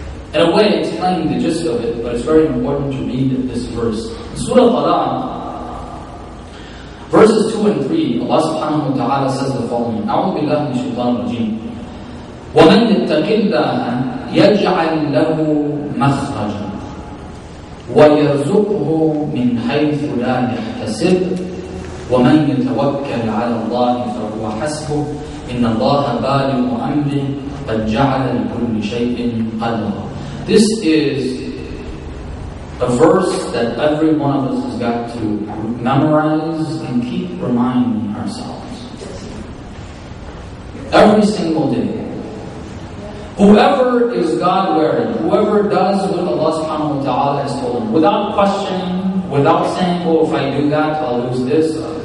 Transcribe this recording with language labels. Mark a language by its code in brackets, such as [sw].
[en] In a way, explain the gist of it, but it's very important to read this verse. Surah Al-Falaq, verses 2 and 3, Allah subhanahu wa ta'ala says the following, [ar] أَعُوذُ بِاللَّهِ مِنْ شَيْطَانِ الرَّجِيمِ وَمَنْ يَتَّقِ اللَّهَ يَجْعَلْ لَهُ مَخْرَجًا وَيَرْزُقْهُ مِنْ حَيْثُ لَا يَحْتَسِبُ وَمَنْ يَتَوَكَّلْ عَلَى اللَّهِ فَهُوَ حَسْبُهُ إِنَّ اللَّهَ بَالِغُ أَمْرِهِ قَدْ جَعَلَ لِكُلِّ شَيْءٍ قَدْرًا. [en] This is a verse that every one of us has got to memorize and keep reminding ourselves. Every single day. Whoever is God-wary, whoever does what Allah subhanahu wa ta'ala has told him, without questioning, without saying, oh, if I do that, I'll lose this.